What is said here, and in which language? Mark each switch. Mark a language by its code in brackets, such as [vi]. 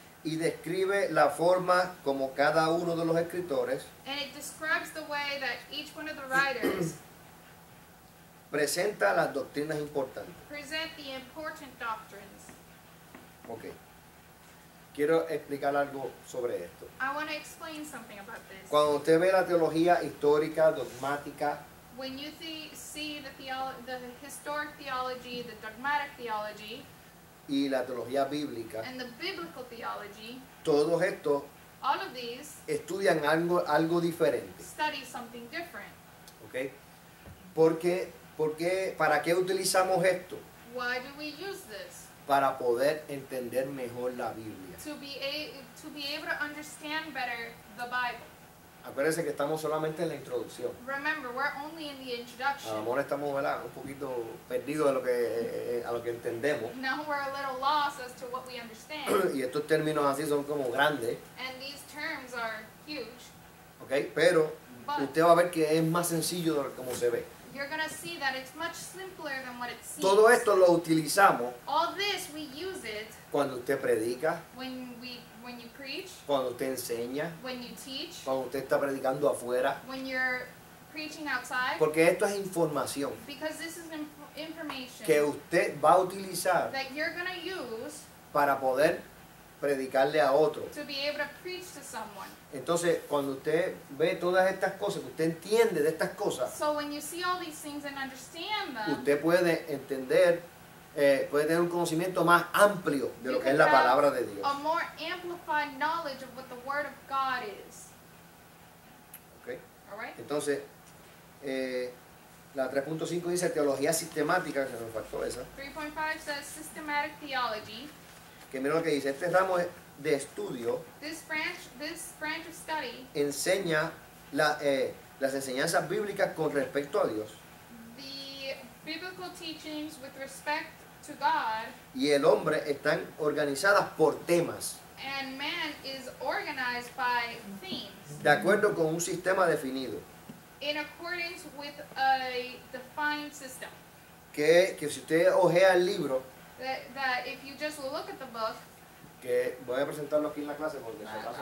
[es] Y describe la forma como cada uno de los escritores. [en] And it describes the way that each one of the writers [es] presenta las doctrinas importantes. [en] Present the important doctrines. Okay. [es] Quiero explicar algo sobre esto. [en] I want to explain something about this. [es] Cuando usted ve la teología histórica, dogmática. [en] When you see the historic theology, the dogmatic theology. [es] Y la teología bíblica. [en] And the biblical theology. [es] Todos estos. [en] All of these. [es] Estudian algo diferente. [en] Study something different. [es] Okay. ¿Por qué? ¿Para qué utilizamos esto? [en] Why do we use this? [es] Para poder entender mejor la Biblia. [en] To be able to understand better the Bible. [es] Acuérdense que estamos solamente en la introducción. [en] Remember, we're only in the introduction. [es] A lo mejor estamos, ¿verdad?, un poquito perdidos de lo que entendemos. [en] Now we're a little lost as to what we understand. [es] Y estos términos así son como grandes. [en] And these terms are huge. [es] Okay, pero usted va a ver que es más sencillo de cómo se ve. [en] You're going to see that it's much simpler than what it seems. [es] Todo esto lo utilizamos. [en] All this we use it. [es] Cuando usted predica. [en] When you preach. [es] Cuando usted enseña. [en] When you teach. [es] Cuando usted está predicando afuera. [en] When you're preaching outside. [es] Porque esto es información. [en] Because this is information. [es] Que usted va a utilizar. [en] That you're going to use. [es] Para poder predicarle a otro. [en] To be able to preach to someone. [es] Entonces, cuando usted ve todas estas cosas, usted entiende de estas cosas. [en] So when you see all these things and understand them. [es] Usted puede entender, puede tener un conocimiento más amplio de lo que es la palabra de Dios. [en] A more amplified knowledge of what the word of God is. Okay. All right. [es] Entonces, la 3.5 dice teología sistemática, que se nos faltó esa. [en] 3.5 says systematic theology. [es] Que mira lo que dice, este ramo es de estudio. [en] This branch of study [es] enseña las enseñanzas bíblicas con respecto a Dios. [en] The biblical teachings with respect to God. [es] Y el hombre están organizadas por temas. [en] And man is organized by themes. [es] De acuerdo con un sistema definido. [en] In accordance with a defined system. [es] Que si usted ojea el libro. [en] That if you just look at the book. [es] Que voy a presentarlo aquí en la clase porque se pasa.